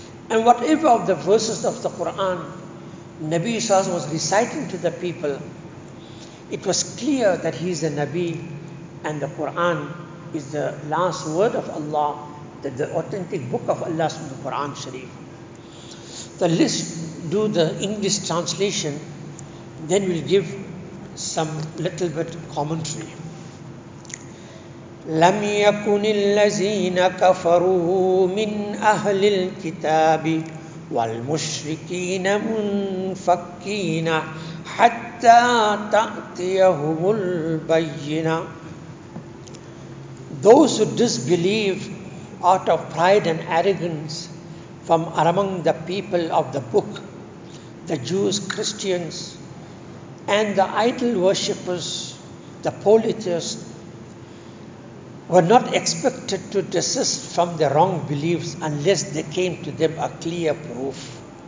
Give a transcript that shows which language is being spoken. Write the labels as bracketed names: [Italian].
[English] And whatever of the verses of the Quran Nabi Sallallahu was reciting to the people, it was clear that he is a Nabi and the Quran is the last word of Allah, that the authentic book of Allah is the Quran Sharif. The list, do the English translation, then we'll give some little bit commentary. [Arabic] لم يكن الذين كفروا من أهل الكتاب والمشركين منفكين حتى تأتيهم البينة. [English] Those who disbelieve out of pride and arrogance from among the people of the book, the Jews, Christians, and the idol worshippers, the polytheists, were not expected to desist from their wrong beliefs unless there came to them a clear proof.